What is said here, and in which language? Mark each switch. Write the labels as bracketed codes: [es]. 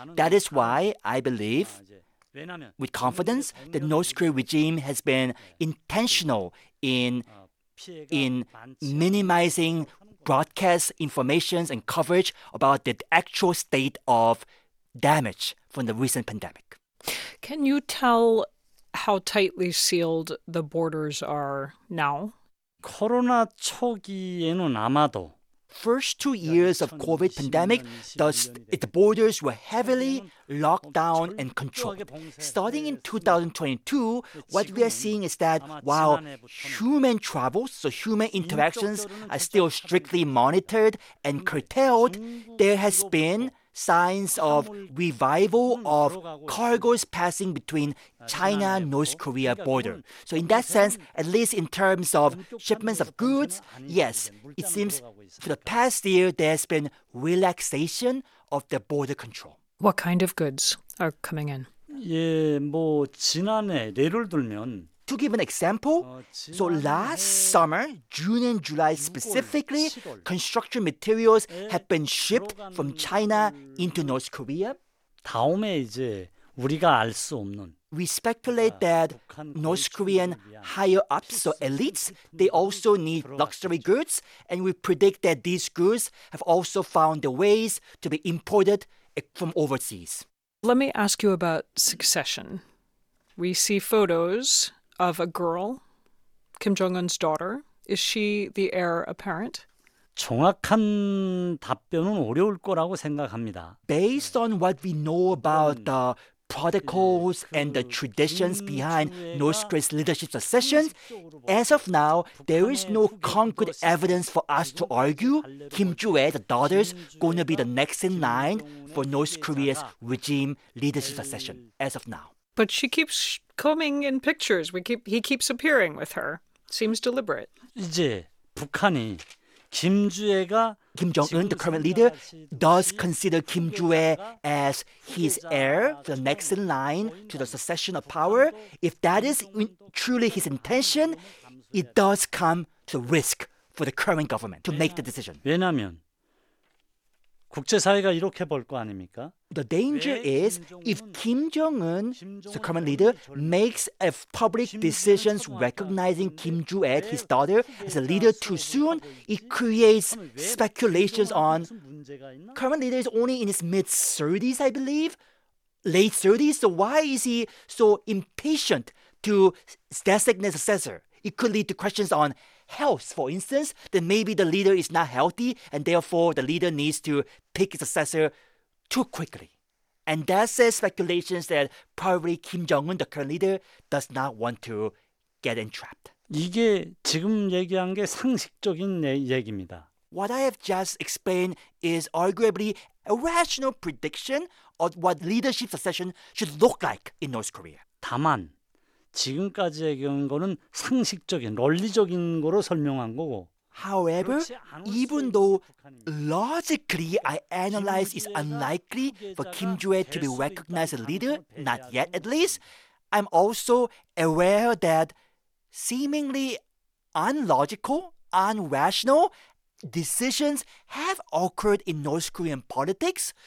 [en] That is why I believe, with confidence, the North Korean regime has been intentional in minimizing broadcast information and coverage about the actual state of damage from the recent pandemic. Can you tell how tightly sealed the borders are now? [ko] 코로나 초기에는 아마도 [en] First 2 years of COVID pandemic, the borders were heavily locked down and controlled. Starting in 2022, what we are seeing is that while human travels, so human interactions, are still strictly monitored and curtailed, there has been signs of revival of cargoes passing between China-North Korea border. So in that sense, at least in terms of shipments of goods, yes, it seems for the past year there's been relaxation of the border control. What kind of goods are coming in? [ko] 예, 뭐 지난해 예를 들면 [en] To give an example, so last summer, June and July specifically, construction materials have been shipped from China into North Korea. [ko] 다음에 이제 우리가 알 수 없는 [en] We speculate that North Korean higher-ups, so elites, they also need luxury goods, and we predict that these goods have also found their ways to be imported from overseas. Let me ask you about succession. We see photos of a girl, Kim Jong-un's daughter, Is she the heir apparent? [ko] 정확한 답변은 어려울 거라고 생각합니다. [en] Based on what we know about the protocols and the traditions behind North Korea's leadership succession, as of now, there is no concrete evidence for us to argue Kim Ju-hae, the daughter's, going to be the next in line for North Korea's regime leadership succession, as of now. But she keeps coming in pictures. He keeps appearing with her. Seems deliberate. [ko] 이제 북한이 김주애가 [en] Kim Jong-un, the current leader, does consider Kim Ju-hae as his heir, the next in line to the succession of power. If that is truly his intention, it does come to risk for the current government to make the decision. [ko] 왜냐하면 국제사회가 이렇게 볼 거 아닙니까? [en] The danger is if Kim Jong-un, the current leader, makes a public decision recognizing Kim Ju-hae, his daughter, as a leader too soon, it creates speculations on current leader is only in his mid-30s, I believe, late 30s, so why is he so impatient to designate a successor? It could lead to questions on health, for instance, then maybe the leader is not healthy and therefore the leader needs to pick his successor too quickly. And that says speculations that probably Kim Jong-un, the current leader, does not want to get entrapped. [ko] 이게 지금 얘기한 게 상식적인 얘기입니다. [en] What I have just explained is arguably a rational prediction of what leadership succession should look like in North Korea. [ko] 다만 지금까지의 경우는 상식적인, 논리적인 거로 설명한 거고. [en] However, even though logically I analyze it's unlikely for Kim Ju-hae to be recognized as a leader, not yet at least, I'm also aware that seemingly unlogical, unrational decisions have occurred in North Korean politics.